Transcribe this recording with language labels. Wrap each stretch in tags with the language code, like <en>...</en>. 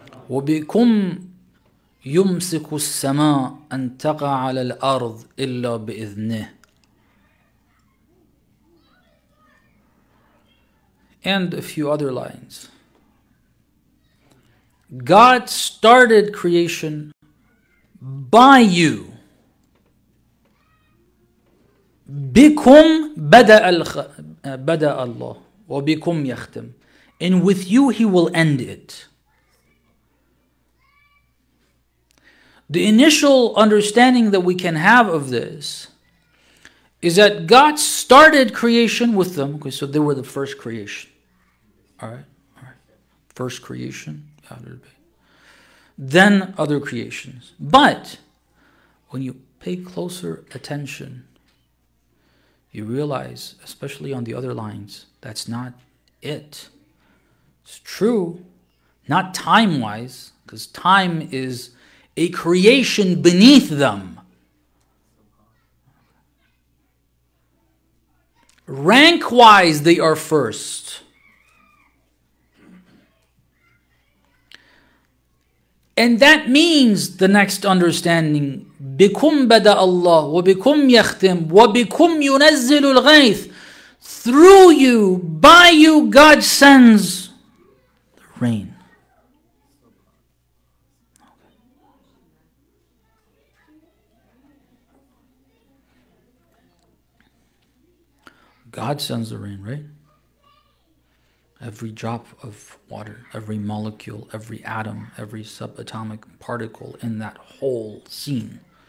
<ar>وَبِكُمْ يُمْسِكُ السَّمَاءَ أَنْ تَقَعَ عَلَى الْأَرْضِ إِلَّا بِإِذْنِهِ.</ar> <en>And a few other lines. God started creation by you.</en> <ar>بِكُمْ بَدَأَ الْخَلْقَ بدأ الله وبكم يختم.</ar> <en>And with you he will end it. The initial understanding that we can have of this is that God started creation with them. Okay, so they were the first creation. All right. First creation. Then other creations. But when you pay closer attention, you realize, especially on the other lines, that's not it. It's true, not time-wise, because time is a creation beneath them. Rank-wise, they are first. And that means the next understanding,</en> <ar>بِكُمْ بَدَأَ اللَّهُ وَبِكُمْ يَخْتِمْ وَبِكُمْ يُنَزِّلُ الْغَيْثِ.</ar> <en>Through you, by you, God sends the rain. God sends the rain, right? Every drop of water, every molecule, every atom, every subatomic particle in that whole scene.</en>